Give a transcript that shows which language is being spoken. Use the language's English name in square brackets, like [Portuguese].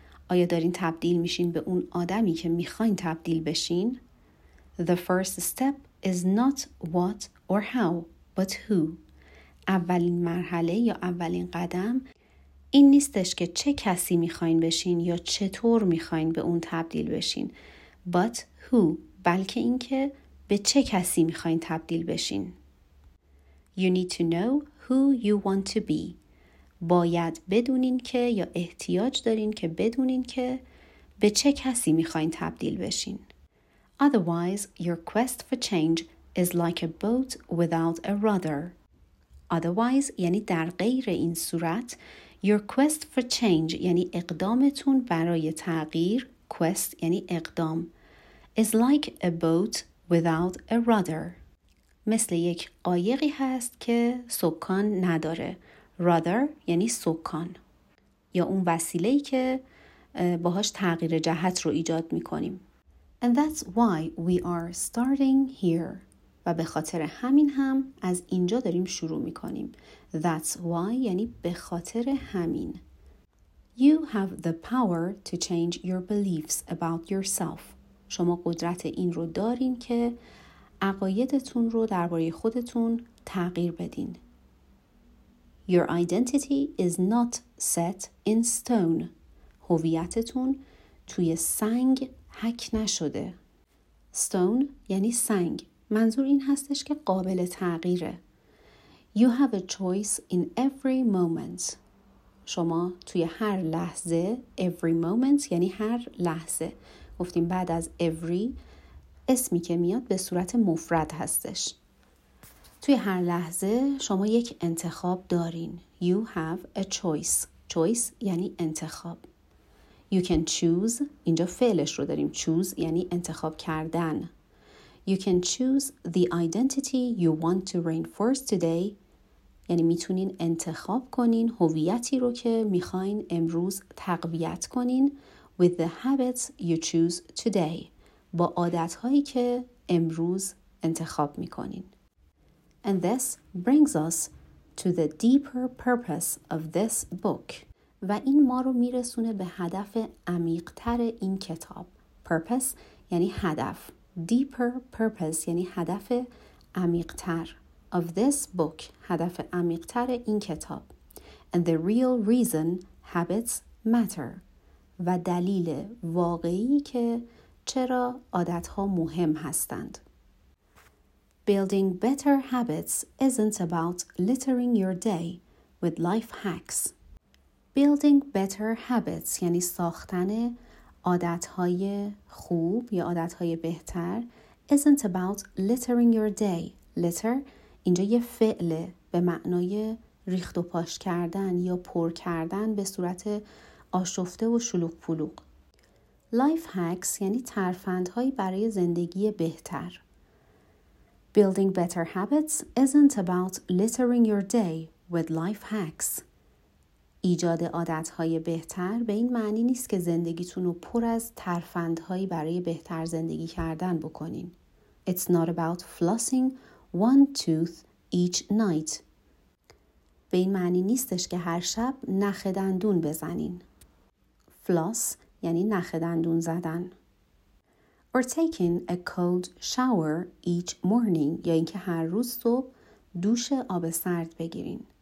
[Persian] آیا دارین تبدیل میشین به اون آدمی که میخواین تبدیل بشین؟ [English] The first step is not what or how, but who. [Persian] اولین مرحله یا اولین قدم این نیستش که چه کسی میخواین بشین یا چطور میخواین به اون تبدیل بشین. [English] But who, [Persian] بلکه این که به چه کسی میخواین تبدیل بشین. [English] You need to know who you want to be. [Persian] باید بدونین که یا احتیاج دارین که بدونین که به چه کسی میخواین تبدیل بشین. [English] Otherwise, your quest for change is like a boat without a rudder. [Persian] Otherwise, یعنی در غیر این صورت، [English] your quest for change [Persian] یعنی اقدامتون برای تغییر، quest یعنی اقدام، [English] is like a boat without a rudder. [Persian] مثل یک قایقی هست که سکان نداره. Rudder یعنی سکان. یا اون وسیله‌ای که باهاش تغییر جهت رو ایجاد می‌کنیم. [English] And that's why we are starting here. [Persian] و به خاطر همین هم از اینجا داریم شروع می‌کنیم. [English] That's why [Persian] یعنی به خاطر همین. [English] You have the power to change your beliefs about yourself. [Persian] شما قدرت این رو دارین که عقایدتون رو درباره خودتون تغییر بدین. [English] Your identity is not set in stone. [Persian] هویتتون توی سنگ حک نشده. Stone یعنی سنگ. منظور این هستش که قابل تغییره. [English] You have a choice in every moment. [Persian] شما توی هر لحظه, [English] every moment [Persian] یعنی هر لحظه. گفتیم بعد از every اسمی که میاد به صورت مفرد هستش. توی هر لحظه شما یک انتخاب دارین. [English] You have a choice. Choice یعنی انتخاب. You can choose. [Persian] اینجا فعلش رو داریم. Choose یعنی انتخاب کردن. [English] You can choose the identity you want to reinforce today. [Persian] یعنی میتونین انتخاب کنین هویتی رو که میخواین امروز تقویت کنین. [English] With the habits you choose today. [Persian] با عادتهایی که امروز انتخاب میکنین. [English] And this brings us to the deeper purpose of this book. [Persian] و این ما رو میرسونه به هدف عمیق‌تر این کتاب. Purpose یعنی هدف. [English] Deeper purpose [Persian] یعنی هدف عمیق‌تر. [English] Of this book, [Persian] هدف عمیق‌تر این کتاب. [English] And the real reason habits matter. [Persian] و دلیل واقعی که چرا عادت‌ها مهم هستند. [English] Building better habits isn't about littering your day with life hacks. Building better habits [Persian] یعنی ساختن عادت‌های خوب یا عادت‌های بهتر [English] isn't about littering your day. [Persian] Litter اینجا یه فعل به معنای ریخت و پاش کردن یا پر کردن به صورت آشفته و شلوغ پلوغ. Life hacks یعنی ترفندهایی برای زندگی بهتر. [English] Building better habits isn't about littering your day with life hacks. [Persian] ایجاد عادت‌های بهتر به این معنی نیست که زندگیتون رو پر از ترفندهایی برای بهتر زندگی کردن بکنین. [English] It's not about flossing one tooth each night. [Persian] به این معنی نیستش که هر شب نخ دندون بزنین. Floss یعنی نخ دندون زدن. [English] Or taking a cold shower each morning [Persian] یا اینکه هر روز صبح دوش آب سرد بگیرین.